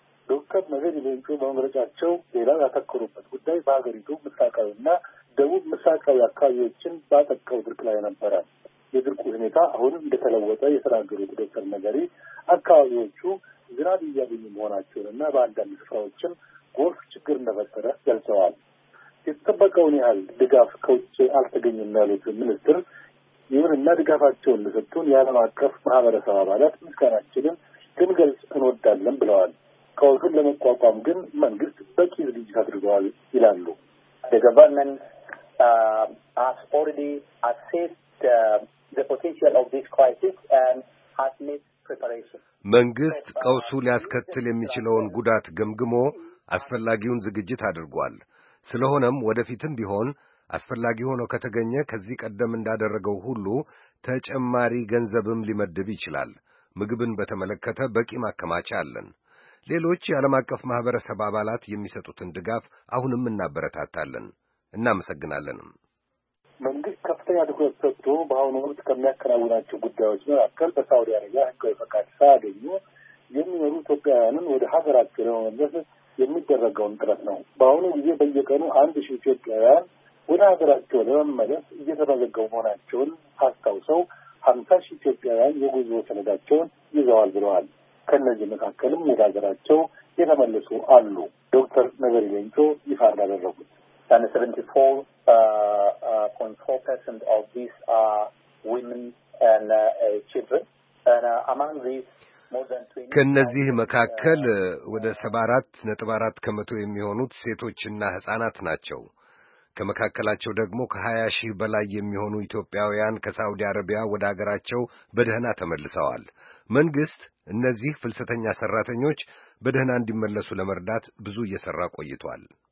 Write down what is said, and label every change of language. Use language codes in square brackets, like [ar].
[am] ዶክተር ነገሪ ሌንጮ በመግለጫቸው ሌላ ያተኮሩበት ጉዳይ በሀገሪቱ ምስራቃዊና ደቡብ ምስራቃዊ አካባቢዎችን ባጠቃው ድርቅ ላይ ነበረ። የድርቁ ሁኔታ አሁን እንደተለወጠ የተናገሩት ዶክተር ነገሪ አካባቢዎቹ ዝናብ እያገኙ መሆናቸውንና በአንዳንድ ስፍራዎችም ጎርፍ ችግር እንደፈጠረ ገልጸዋል። የተጠበቀውን ያህል ድጋፍ ከውጭ አልተገኘም ያሉት ሚኒስትር ይሁንና ድጋፋቸውን ለሰጡን የዓለም አቀፍ ማህበረሰብ አባላት ምስጋናችንን ልንገልጽ እንወዳለን ብለዋል። ቀውሱን ለመቋቋም ግን መንግስት በቂ ዝግጅት አድርገዋል ይላሉ። [en] The government has already assessed the potential of this crisis and has made preparations. [am] መንግስት ቀውሱ ሊያስከትል የሚችለውን ጉዳት ገምግሞ አስፈላጊውን ዝግጅት አድርጓል። ስለሆነም ወደፊትም ቢሆን አስፈላጊ ሆኖ ከተገኘ ከዚህ ቀደም እንዳደረገው ሁሉ ተጨማሪ ገንዘብም ሊመድብ ይችላል። ምግብን በተመለከተ በቂ ማከማቻ አለን። ሌሎች የዓለም አቀፍ ማህበረሰብ አባላት የሚሰጡትን ድጋፍ አሁንም እናበረታታለን። እናመሰግናለን። መንግስት ከፍተኛ ትኩረት ሰጥቶ በአሁኑ ወቅት ከሚያከናውናቸው ጉዳዮች መካከል በሳውዲ አረቢያ ህጋዊ ፈቃድ ሳያገኙ የሚኖሩ ኢትዮጵያውያንን ወደ ሀገራቸው ለመመለስ የሚደረገውን ጥረት ነው። በአሁኑ ጊዜ በየቀኑ 1000 ኢትዮጵያውያን ወደ ሀገራቸው ለመመለስ እየተመዘገቡ መሆናቸውን አስታውሰው 50000 ኢትዮጵያውያን የጉዞ ሰነዳቸውን ይዘዋል ብለዋል። ከእነዚህ መካከልም ወደ ሀገራቸው የተመለሱ አሉ። ዶክተር ነገሪ ሌንጮ ይፋ እንዳደረጉት [en] 74.4% of these are women and children and among these [am] ከነዚህ መካከል ወደ 74.4 ከመቶ የሚሆኑት ሴቶችና ሕፃናት ናቸው። ከመካከላቸው ደግሞ ከ20,000 በላይ የሚሆኑ ኢትዮጵያውያን ከሳውዲ አረቢያ ወደ አገራቸው በደህና ተመልሰዋል። መንግስት እነዚህ ፍልሰተኛ ሰራተኞች በደህና እንዲመለሱ ለመርዳት ብዙ እየሰራ ቆይቷል።